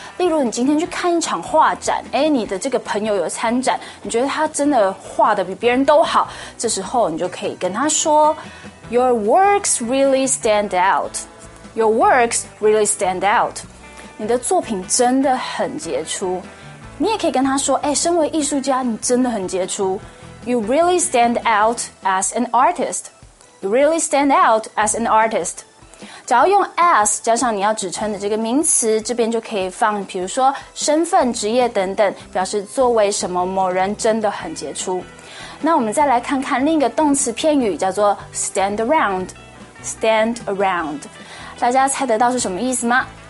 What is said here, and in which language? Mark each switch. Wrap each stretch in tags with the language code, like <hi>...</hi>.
<zh>例如你今天去看一场画展，诶，你的这个朋友有参展，你觉得他真的画得比别人都好，这时候你就可以跟他说</zh> <en>Your works really stand out，</en> <zh>Your works really stand out，你的作品真的很杰出。你也可以跟他说，哎，身为艺术家你真的很杰出。</zh> <en>You really stand out as an artist， You really stand out as an artist。</en> <zh>只要用 as 加上你要指称的这个名词，这边就可以放比如说身份、职业等等，表示作为什么某人真的很杰出。那我们再来看看另一个动词片语，叫做 stand around， stand around， 大家猜得到是什么意思吗？</zh>